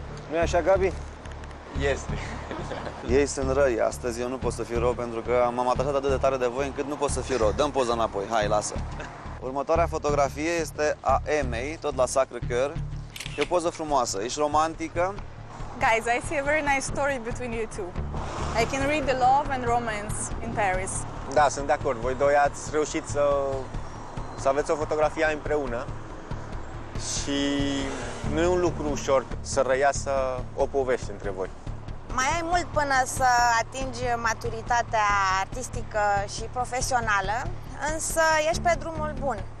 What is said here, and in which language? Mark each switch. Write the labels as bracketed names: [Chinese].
[Romanian] Nu e așa, Gabi? Este. Ei sunt răi, astăzi eu nu pot să fiu rău pentru că m-am atașat atât de tare de voi încât nu pot să fiu rău. Dăm poza înapoi, hai, lasă. Următoarea fotografie este a Emei, tot la Sacré-Cœur. E o poză frumoasă, ești romantică. [English] Guys, I see a very nice story between you two. I can read the love and romance in Paris. [Romanian] Da, sunt de acord. Voi doi ați reușit să aveți o fotografie împreună. Și nu e un lucru ușor să răiasă o poveste între voi. Mai ai mult până să atingi maturitatea artistică și profesională, însă ești pe drumul bun.